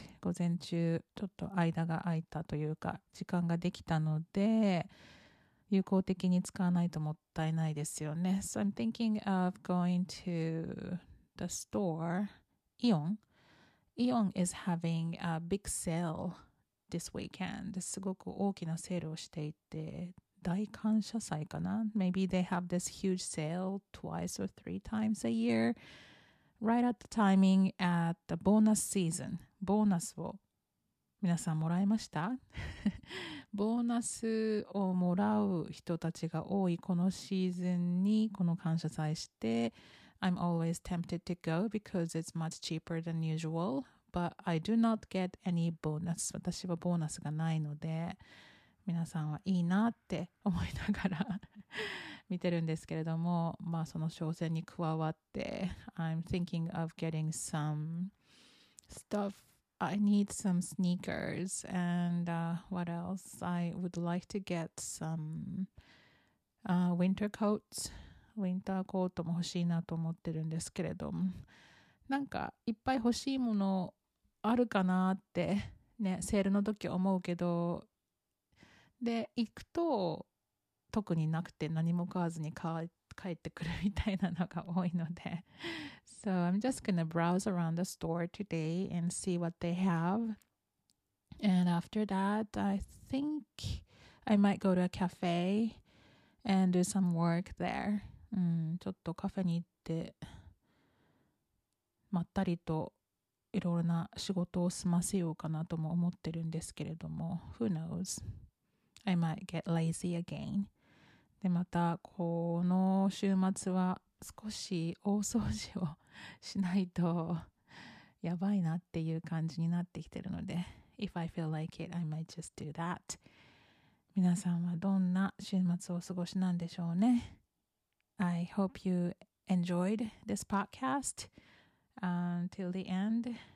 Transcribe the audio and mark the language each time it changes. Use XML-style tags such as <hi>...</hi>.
<ja>午前中、ちょっと間が空いたというか、時間ができたので、有効的に使わないともったいないですよね。</ja> <en>So I'm thinking of going to the store, Ion. Ion is having a big sale this weekend.</en> <ja>すごく大きなセールをしていて、大感謝祭かな</ja> <en>Maybe they have this huge sale twice or three times a year. Right at the timing at the bonus season.</en> <ja>ボーナスを皆さんもらいました ボーナスをもらう人たちが多いこのシーズンにこの感謝祭して</ja> <en>I'm always tempted to go because it's much cheaper than usual. But I do not get any bonus.</en> <ja>私はボーナスがないので皆さんはいいなって思いながら見てるんですけれども、まあその商戦に加わって、</ja> <en>I'm thinking of getting some stuff. I need some sneakers and what else? I would like to get some winter coats.</en> <ja>ウィンターコートも欲しいなと思ってるんですけれども、なんかいっぱい欲しいものあるかなってね、セールの時思うけど、で行くと特になくて何も買わずに帰ってくるみたいなのが多いので</ja> <en>So I'm just gonna browse around the store today and see what they have. And after that, I think I might go to a cafe and do some work there.</en> <ja>ちょっとカフェに行ってまったりといろいろな仕事を済ませようかなとも思ってるんですけれども</ja> <en>Who knows? I might get lazy again.</en> <ja>でまたこの週末は少し大掃除をしないとやばいなっていう感じになってきてるので</ja> <en>If I feel like it, I might just do that.</en> <ja>皆さんはどんな週末をお過ごしなんでしょうね。</ja> <en>I hope you enjoyed this podcast till the end.</en>